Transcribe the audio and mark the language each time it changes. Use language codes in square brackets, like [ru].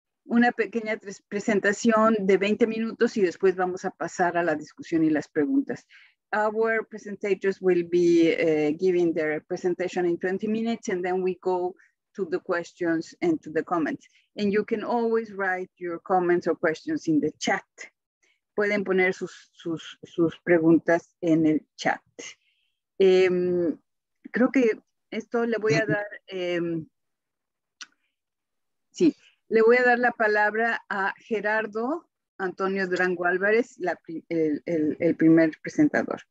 [es] Una pequeña presentación de 20 minutos y después vamos a pasar a la discusión y las preguntas. [en] Our presenters will be giving their presentation in 20 minutes, and then we go to the questions and to the comments. And you can always write your comments or questions in the chat. [es] Pueden poner sus preguntas en el chat. Creo que esto le voy a dar, sí, le voy a dar la palabra a Gerardo Antonio Durango Álvarez, el primer presentador.